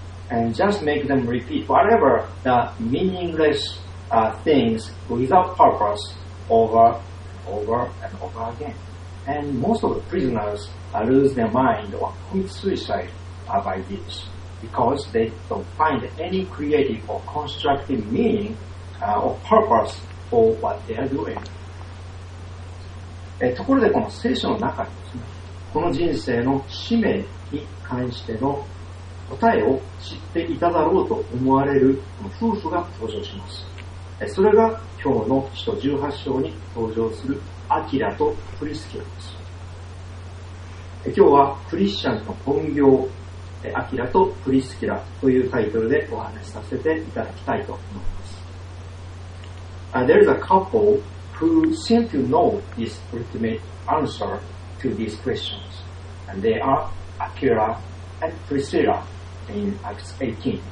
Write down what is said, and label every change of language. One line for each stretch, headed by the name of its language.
English: And just make them repeat whatever the meaningless things without purpose over and over and over again. And most of the prisoners lose their mind or commit suicide by this because they don't find any creative or constructive meaning or purpose for what they are doing.
Japanese: ところでこの聖書の中にですね、この人生の使命に関しての答えを知っていただろうと思われるこの夫婦が登場します。それが今日の使徒18章に登場するアキラとプリスキラです。今日はクリスチャンの本業、アキラとプリスキラというタイトルでお話しさせていただきたいと思います。
English: There is a couple who seem to know this ultimate answer to these questions, and they are Akira and Priscilla in Acts 18.